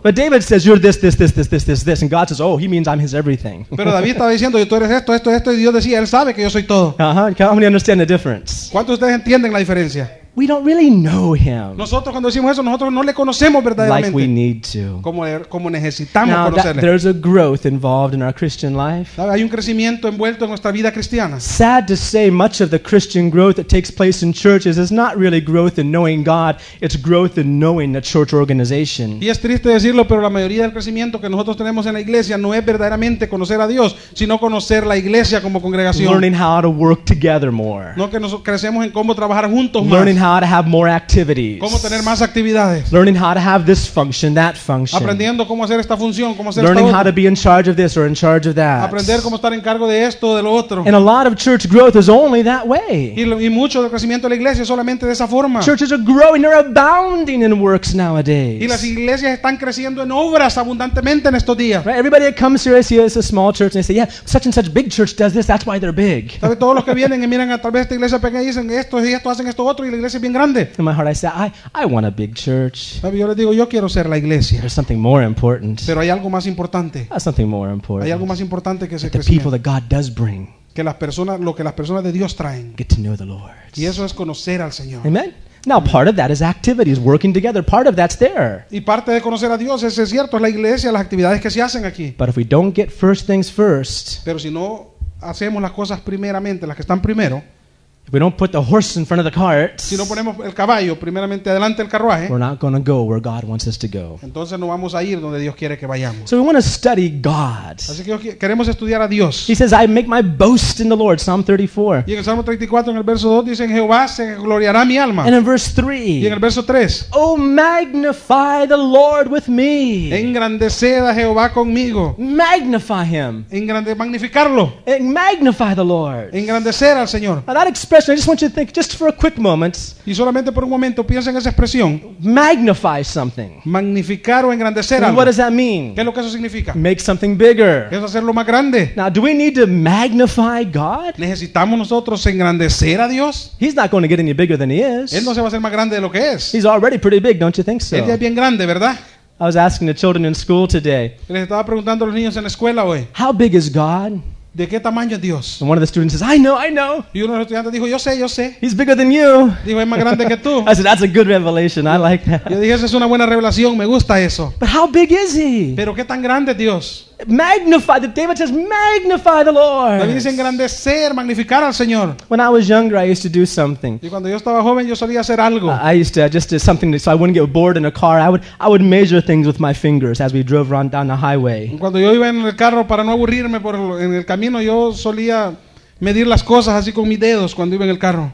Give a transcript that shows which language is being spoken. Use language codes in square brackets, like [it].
[en] But David says, you're this, and God says, oh, he means I'm his everything. [es] Pero David estaba diciendo, tú eres esto, y Dios decía, él sabe que yo soy todo. Uh-huh. [en] How many understand the difference? [es] ¿Cuántos de ustedes entienden la diferencia? [en] We don't really know him. [es] Nosotros cuando decimos eso, nosotros no le conocemos verdaderamente. [en] Like we need to. [es] Como necesitamos [en] now, [es] conocerle. [en] Now there's a growth involved in our Christian life. [es] Hay un crecimiento envuelto en nuestra vida cristiana. [en] Sad to say, much of the Christian growth that takes place in churches is not really growth in knowing God. It's growth in knowing the church organization. [es] Y es triste decirlo, pero la mayoría del crecimiento que nosotros tenemos en la iglesia no es verdaderamente conocer a Dios, sino conocer la iglesia como congregación. [en] Learning how to work together more. [es] No que nos crecemos en cómo trabajar juntos más. [en] Learning how to have more activities. [es] ¿Cómo tener más actividades? [en] Learning how to have this function, that function. [es] Aprendiendo cómo hacer esta función, cómo hacer [en] learning [es] esta [en] how to be in charge of this or in charge of that. [es] Aprender cómo estar en cargo de esto o de lo otro. [en] And a lot of church growth is only that way. [es] Y mucho del crecimiento de la iglesia es solamente de esa forma. [en] Churches are growing, they're abounding in works nowadays. [es] Y las iglesias están creciendo en obras abundantemente en estos días. [en] Right? Everybody that comes here, see it's a small church, and they say, yeah, such and such big church does this, that's why they're big. [es] Todos los que vienen y miran a través de esta iglesia pequeña y dicen esto y esto hacen esto otro y es bien grande. [en] In my heart I say I want a big church. [es] Yo le digo, yo quiero ser la iglesia. [en] There's something more important. [es] Pero hay algo más importante. [en] Something more important. [es] Hay algo más importante que ese crecimiento. [en] The people that God does bring. [es] Que las personas, lo que las personas de Dios traen. [en] Get to know the Lord. [es] Y eso es conocer al Señor. [en] Amen. Now part of that is activities working together. Part of that's there. [es] Y parte de conocer a Dios, eso es cierto, es la iglesia, las actividades que se hacen aquí. [en] But if we don't get first things first. [es] Pero si no hacemos las cosas primeramente, las que están primero. [en] If we don't put the horse in front of the cart, [es] si no ponemos el caballo primeramente adelante el carruaje, [en] we're not going to go where God wants us to go. [es] Entonces no vamos a ir donde Dios quiere que vayamos. [en] So we want to study God. [es] Así que queremos estudiar a Dios. [en] He says, "I make my boast in the Lord." Psalm 34. [es] Y en el Salmo 34 en el verso 2 dice, "Jehová se gloriará mi alma." [en] And in verse 3. [es] Y en el verso 3. [en] Oh, magnify the Lord with me. [es] Engrandeced a Jehová conmigo. [en] Magnify him. [es] Magnificarlo. [en] And magnify the Lord. [es] Engrandecer al Señor. [en] I just want you to think just for a quick moment. [es] Y solamente por un momento piensa en esa expresión. [en] Magnify something. [es] Magnificar o engrandecer algo. [en] What does that mean? [es] ¿Qué es lo que eso significa? [en] Make something bigger. [es] Es hacerlo más grande. [en] Now, do we need to magnify God? [es] ¿Necesitamos nosotros engrandecer a Dios? [en] He's not going to get any bigger than he is. [es] Él no se va a hacer más grande de lo que es. [en] He's already pretty big, don't you think so? [es] Él ya es bien grande, ¿verdad? [en] I was asking the children in school today. [es] Les estaba preguntando a los niños en la escuela hoy. [en] How big is God? [es] ¿De qué tamaño es Dios? [en] And one of the students says, I know. [es] Y uno de los estudiantes dijo, yo sé. [en] He's bigger than you. [es] Dijo, es más grande que tú. [en] I said, that's a good revelation. I like that. [es] Yo dije, esa es una buena revelación. Me gusta eso. [en] But how big is he? [es] Pero qué tan grande es Dios. [en] Magnify. David says, magnify the Lord. [es] David dice, engrandecer, magnificar al Señor. [en] When I was younger, I used to do something. [es] Y cuando yo estaba joven, yo solía hacer algo. [en] I used to just do something so I wouldn't get bored in a car. I would measure things with my fingers as we drove around down the highway. [es] Cuando yo iba en el carro para no aburrirme por en el camino, yo solía medir las cosas así con mis dedos cuando iba en el carro.